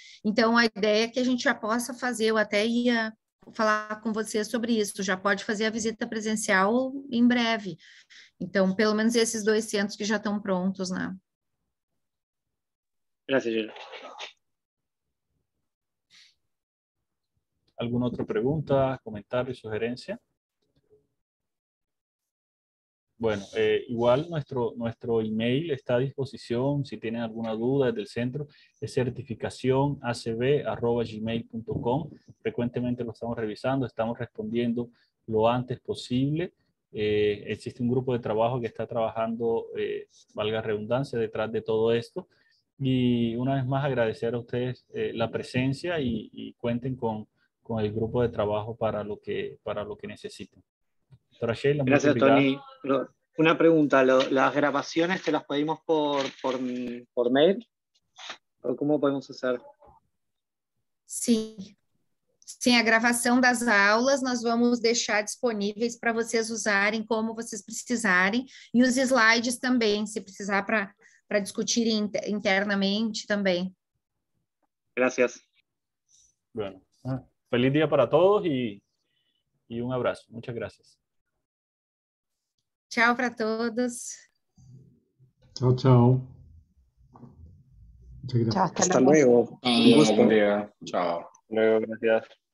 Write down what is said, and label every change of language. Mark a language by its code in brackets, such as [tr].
[pt] Então, a ideia é que a gente já possa fazer, eu até ia falar com você sobre isso, já pode fazer a visita presencial em breve. Então, pelo menos esses dois centros que já estão prontos, né? Obrigado, Gil. Alguma outra pergunta, comentário, sugerência? [es] Bueno, igual nuestro email está a disposición, si tienen alguna duda desde el centro, es certificacionacb@gmail.com. Frecuentemente lo estamos revisando, estamos respondiendo lo antes posible. Existe un grupo de trabajo que está trabajando, valga redundancia, detrás de todo esto. Y una vez más agradecer a ustedes la presencia y cuenten con el grupo de trabajo para lo que necesiten. Sheila, gracias, Tony. Una pregunta, ¿las grabaciones te las pedimos por mail? ¿O cómo podemos hacer? Sí. [pt] Sim, a gravação das aulas nós vamos deixar disponíveis para vocês usarem como vocês precisarem e os slides também, se precisar para discutir internamente também. [es] Gracias. Bueno, feliz día para todos y un abrazo. Muchas gracias. [pt] Tchau para todos. Tchau, tchau. Tchau, até logo. [es] Hasta luego. Un gusto. Buen día. Chao. Luego, gracias.